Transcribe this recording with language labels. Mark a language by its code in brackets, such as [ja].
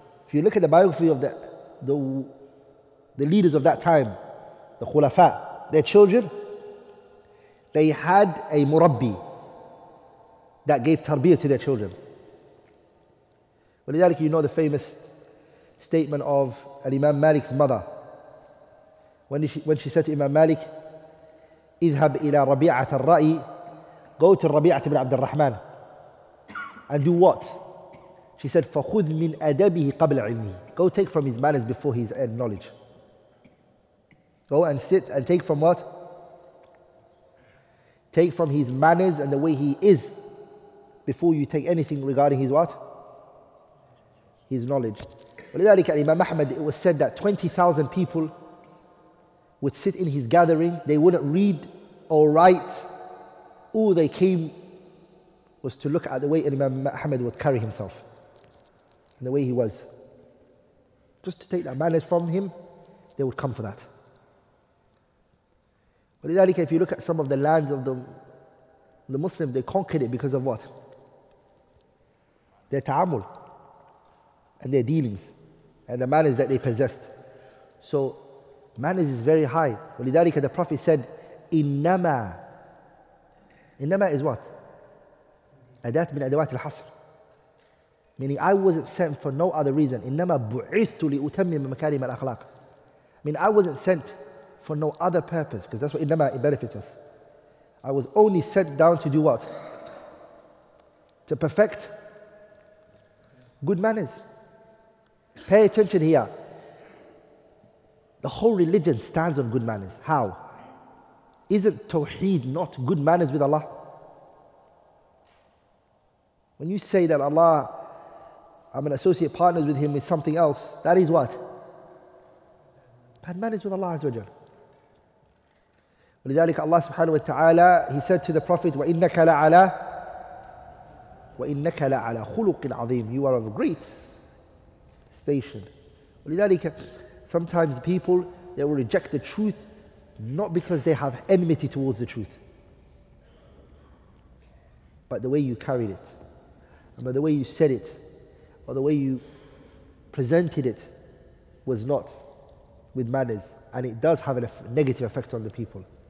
[en] If you look at the biography of the leaders of that time, the khulafa, their children, they had a murabbi that gave tarbiyah to their children. [ar] ولذلك, [en] you know the famous statement of Imam Malik's mother. When she said to Imam Malik, [ar] اذهب إلى ربيعة الرأي, [en] go to ربيعة بن عبد الرحمن. And do what? She said, [ar] فَخُذْ مِنْ أَدَبِهِ قَبْلَ عِلْمِهِ. [en] Go take from his manners before his knowledge. Go and sit and take from what? Take from his manners and the way he is before you take anything regarding his what? His knowledge. [ar] ولذلك, [en] Imam Ahmad, it was said that 20,000 people would sit in his gathering. They wouldn't read or write. All they came was to look at the way Imam Muhammad would carry himself and the way he was. Just to take that manners from him, they would come for that. [ar] ولذلك, [en] if you look at some of the lands of the Muslims, they conquered it because of what? Their ta'amul and their dealings and the manners that they possessed. So manners is very high. [ar] ولذلك, [en] the Prophet said, إِنَّمَا. إِنَّمَا is what? [ar] أدات من أدوات الحصر. [en] Meaning, I wasn't sent for no other reason. [ar] إنما بعثت لأتمم مكارم الأخلاق. [en] Meaning, I wasn't sent for no other purpose, because that's what إنما, it benefits us. I was only sent down to do what? To perfect good manners. Pay attention here. The whole religion stands on good manners. How? Isn't Tawheed not good manners with Allah? When you say that Allah, I'm an associate partner with Him with something else, that is what? Bad manners with Allah Azza wa Jal. [ar] لذلك الله سبحانه وتعالى [en] he said to the prophet [ar] وَإِنَّكَ لَعَلَى وَإِنَّكَ لَعَلَى خُلُقٍ عَظِيمٍ. [en] You are of great station. [ar] لذلك [en] sometimes people they will reject the truth not because they have enmity towards the truth but the way you carried it and by the way you said it or the way you presented it was not with manners and it does have a negative effect on the people.